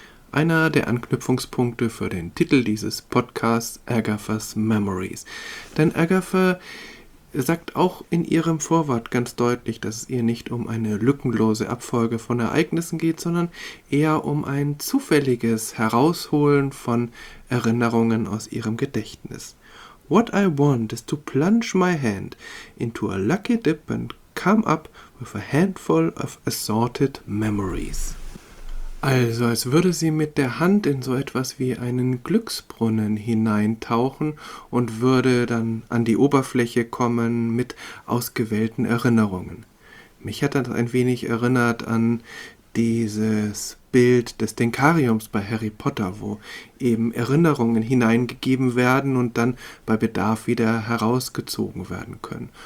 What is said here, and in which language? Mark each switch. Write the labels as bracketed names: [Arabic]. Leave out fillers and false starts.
[German] Einer der Anknüpfungspunkte für den Titel dieses Podcasts, Agatha's Memories. Denn Agatha sagt auch in ihrem Vorwort ganz deutlich, dass es ihr nicht um eine lückenlose Abfolge von Ereignissen geht, sondern eher um ein zufälliges Herausholen von Erinnerungen aus ihrem Gedächtnis. [English] What I want is to plunge my hand into a lucky dip and come up with a handful of assorted memories. [German] Also, als würde sie mit der Hand in so etwas wie einen Glücksbrunnen hineintauchen und würde dann an die Oberfläche kommen mit ausgewählten Erinnerungen. Mich hat das ein wenig erinnert an dieses Bild des Denkariums bei Harry Potter, wo eben Erinnerungen hineingegeben werden und dann bei Bedarf wieder herausgezogen werden können.